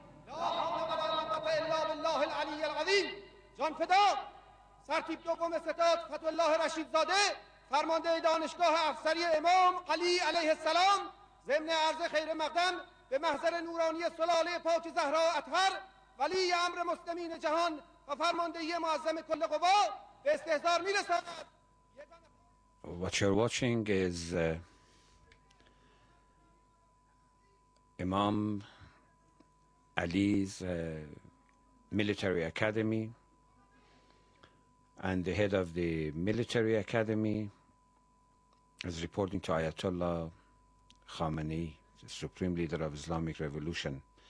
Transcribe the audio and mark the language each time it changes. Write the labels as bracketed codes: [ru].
[ar] لا حول ولا قوة إلا بالله العلي العظيم. [fa] جان فدا. سرتیپ دوم ستاد فتوالله رشیدزاده فرمانده دانشگاه افسری امام علی علیه السلام ضمن عرض خیر مقدم به محضر نورانی سلاله پاک زهرا اطهر ولی امر مسلمین جهان و فرمانده معظم کل قوا به استحضار میرساند. [en] What you're watching is Imam Ali's military academy and the head of the military academy is reporting to Ayatollah Khamenei, the supreme leader of Islamic Revolution.